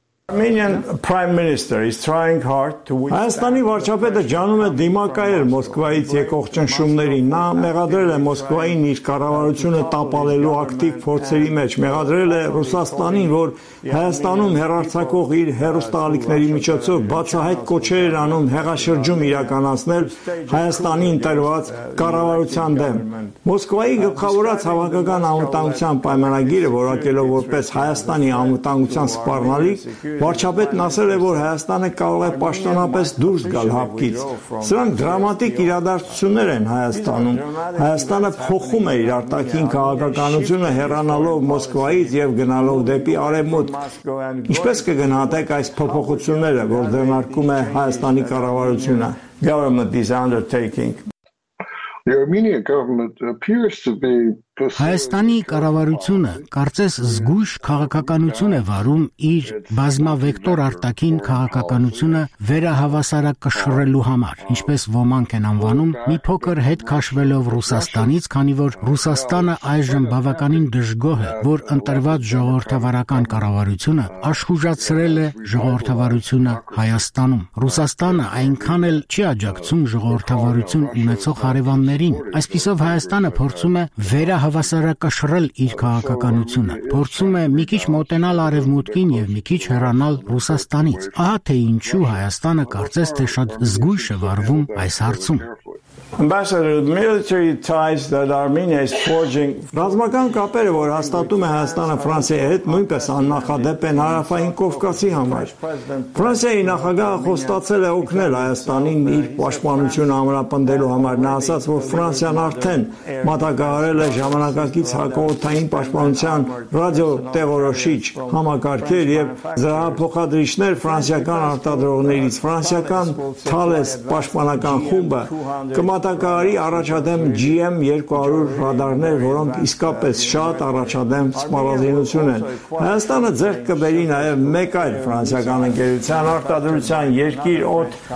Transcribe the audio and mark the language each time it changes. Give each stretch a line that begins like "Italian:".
English: Armenian Prime Minister is trying hard to win.
Armenian: Հայաստանի վարչապետը ջանում է դիմակայել Մոսկվայից եկող ճնշումներին։ Նա մեղադրել է Մոսկվային իր կառավարությունը տապալելու ակտիվ փորձերի մեջ, մեղադրել է Ռուսաստանին, որ Հայաստանում հերարցակող իր հերոստալիքների միջոցով բացահայտ կոչեր էր անում հեղաշրջում իրականացնել Հայաստանի ընտրված կառավարության դեմ։ Մոսկվայի գլխավորած հավաքական անվտանգության պայմանագիրը, որակելով որպես Հայաստանի անվտանգության սպառնալիք, Վարչապետ նասել է, որ Հայաստանը կարող է պաշտոնապես դուրս գալ հապկից։ Սրանք դրամատիկ իրադարձություններ են Հայաստանում։ Հայաստանը փոխում է իր արտաքին քաղաքականությունը հեռանալով Մոսկվայից և գնալով դեպի արևմուտք։ Ինչպես կգնահատեք այս փոփոխությունները, որ ձեռնարկում է Հայաստանի կառավարությունը?
English: Government is undertaking. The Armenian government appears to be
Armenian: Հայաստանի կառավարությունը կարծես զգույշ քաղաքականություն է վարում իր բազմավեկտոր արտաքին քաղաքականությունը վերահավասարակշռելու համար, ինչպես ոմանք են անվանում, մի փոքր հետ քաշվելով Ռուսաստանից, քանի որ Ռուսաստանը այժմ բավականին դժգոհ է, որ ընտրված ժողովրդավարական կառավարությունը աշխուժացրել է ժողովրդավարությունը Հայաստանում։ Ռուսաստանը այնքան էլ չի աջակցում ժողովրդավարություն ունեցող հարևաններին, այսպիսով Հայաստանը փորձում է վերահավասարակշռել հավասարակշռել իր քաղաքականությունը, փորձում է մի քիչ մոտենալ արևմուտքին և մի քիչ հեռանալ Ռուսաստանից։ Ահա թե ինչու Հայաստանը կարծես թե շատ զգույշ է վարվում այս հարցում։
English: Ambassador, the military ties that Armenia is forging.
Armenian: Ռազմական կապերը, որ հաստատում է Հայաստանը Ֆրանսիայի հետ, նույնպես աննախադեպ են Հարավային Կովկասի համար։ Ֆրանսիայի նախագահը խոստացել է օգնել Հայաստանին իր պաշտպանությունը ամրապնդելու համար։ Նա ասաց, որ Ֆրանսիան արդեն մատակարարել է ժամանակակից հակաօդային պաշտպանության ռադիոտեղորոշիչ համակարգեր և զրահափոխադրիչներ ֆրանսիական արտադրողներից։ Ֆրանսիական Թալես պաշտպանական խումբը մատակարարի առաջադեմ GM-200 ռադարներ, որոնք իսկապես շատ առաջադեմ սպառազինություն են։ Հայաստանը ձեռք կբերի նաև մեկ այլ ֆրանսիական ընկերության արտադրության երկիր օդ